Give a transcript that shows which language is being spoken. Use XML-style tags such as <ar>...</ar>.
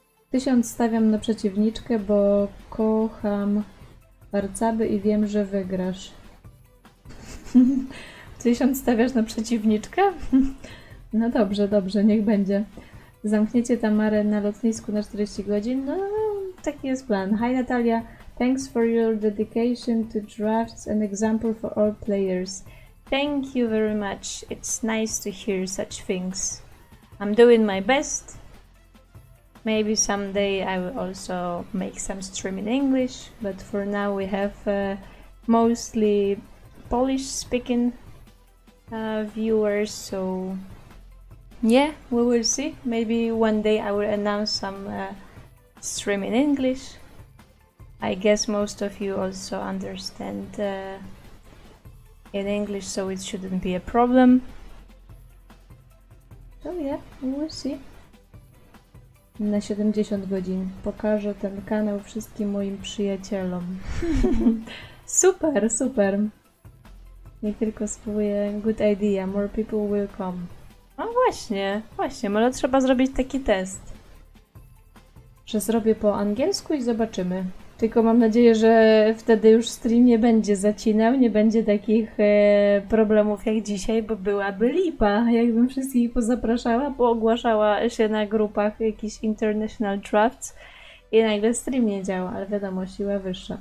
<pl>1000 stawiam na przeciwniczkę, bo kocham warcaby i wiem, że wygrasz. 1000 stawiasz na przeciwniczkę? No dobrze, dobrze, niech będzie. Zamkniecie Tamarę na lotnisku na 40 godzin? No, taki jest plan.</pl> <en>Hi Natalia, thanks for your dedication to drafts, an example for all players. Thank you very much. It's nice to hear such things. I'm doing my best. Maybe someday I will also make some stream in English, but for now we have mostly Polish-speaking viewers, so yeah, we will see. Maybe one day I will announce some stream in English. I guess most of you also understand in English, so it shouldn't be a problem. So yeah, we will see.</en> <pl>Na 70 godzin pokażę ten kanał wszystkim moim przyjacielom. Super, super. Nie tylko spróbuję.</pl> <en>Good idea, more people will come.</en> <pl>No właśnie, właśnie, może trzeba zrobić taki test. Że zrobię po angielsku i zobaczymy. Tylko mam nadzieję, że wtedy już stream nie będzie zacinał, nie będzie takich problemów jak dzisiaj, bo byłaby lipa, jakbym wszystkich pozapraszała, bo ogłaszała się na grupach jakiś International Drafts i nagle stream nie działa, ale wiadomo, siła wyższa.</pl>